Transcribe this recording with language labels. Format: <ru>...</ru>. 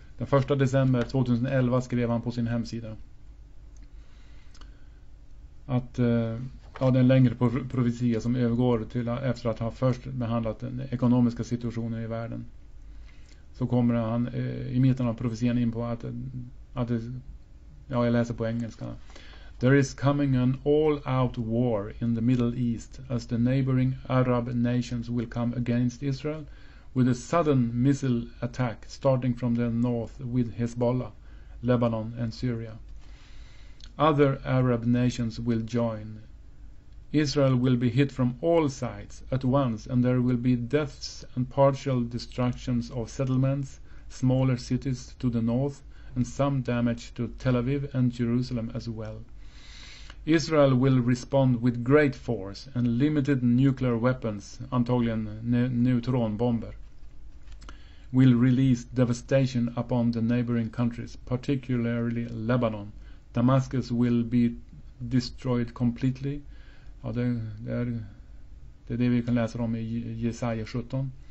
<sv>Den 1 december 2011 skrev han på sin hemsida att ja, det är en längre profetia som övergår till efter att ha först behandlat den ekonomiska situationen i världen. Så kommer han i mitten av profetian in på att det, ja, jag läser på engelska.</sv> <en>There is coming an all-out war in the Middle East as the neighboring Arab nations will come against Israel with a sudden missile attack starting from the north with Hezbollah, Lebanon and Syria. Other Arab nations will join. Israel will be hit from all sides at once and there will be deaths and partial destructions of settlements, smaller cities to the north and some damage to Tel Aviv and Jerusalem as well. Israel will respond with great force and limited nuclear weapons,</en> <sv>antagligen neutronbomber,</sv> <en>will release devastation upon the neighboring countries, particularly Lebanon. Damascus will be destroyed completely.</en> <sv>Ja, det är det vi kan läsa om i Jesaja 17.</sv>